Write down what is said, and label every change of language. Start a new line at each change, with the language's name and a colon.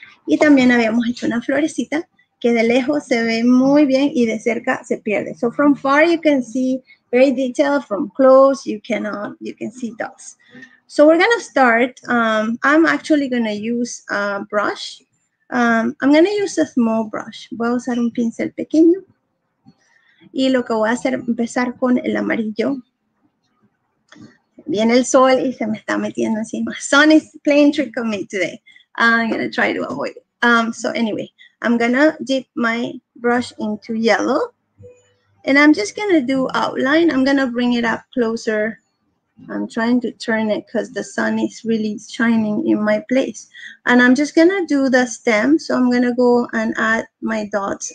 Spanish: Y también habíamos hecho una florecita que de lejos se ve muy bien y de cerca se pierde.
English: So from far you can see very detailed, from close you cannot, you can see dots. So we're gonna start, I'm actually gonna use a brush. I'm gonna use a small brush.
Spanish: Voy a usar un pincel pequeño. Y lo que voy a hacer, empezar con el amarillo. Viene el sol y se me está metiendo encima.
English: Sun is playing trick on me today. I'm gonna try to avoid it. So anyway, I'm gonna dip my brush into yellow. And I'm just gonna do outline. I'm gonna bring it up closer. I'm trying to turn it because the sun is really shining in my place. And I'm just going to do the stem. So I'm going to go and add my dots.